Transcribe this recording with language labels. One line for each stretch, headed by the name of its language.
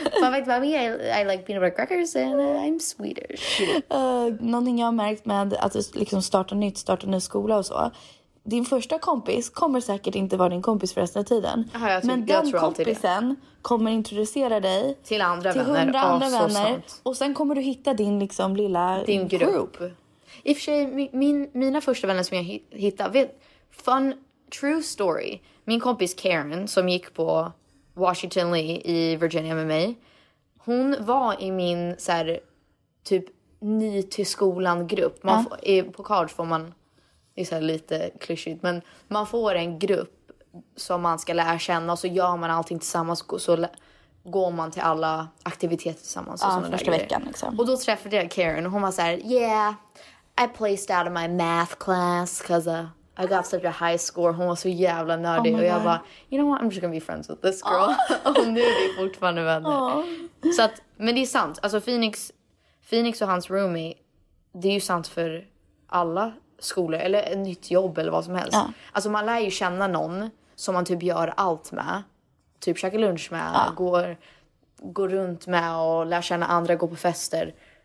English: Fun fact about me, I like peanut butter crackers and I'm Swedish.
Swedish: Någonting jag har märkt med att liksom starta ny skola och så. Din första kompis kommer säkert inte vara din kompis för resten av tiden. Ja, men den kompisen kommer introducera dig till andra till vänner. 100 andra vänner. Och sen kommer du hitta din liksom lilla din grupp. I och för sig, mina första vänner som jag hittade. Vet,
English: fun true story.
Swedish: Min kompis Karen som gick på Washington Lee i Virginia med mig. Hon var i min så här, typ ny till skolan grupp. På college får man... Det är så här lite klyschigt, men man får en grupp som man ska lära känna och så gör man allting tillsammans och så går man till alla aktiviteter tillsammans. Ja, första veckan liksom. Och då träffade jag Karen och hon var så här,
English: yeah, I placed out of my math class because I got such a high score.
Swedish: Hon var så jävla nördig. Och jag bara,
English: you know what, I'm just gonna be friends with this girl.
Swedish: Och nu är vi fortfarande vänner. Oh. Så att, men det är sant. Alltså Phoenix och hans roomie, det är ju sant för alla skolor eller ett nytt jobb eller vad som helst. Ja. Alltså man lär ju känna någon som man typ gör allt med. Typ käka lunch med, ja. går runt med och lär känna andra, gå på fester.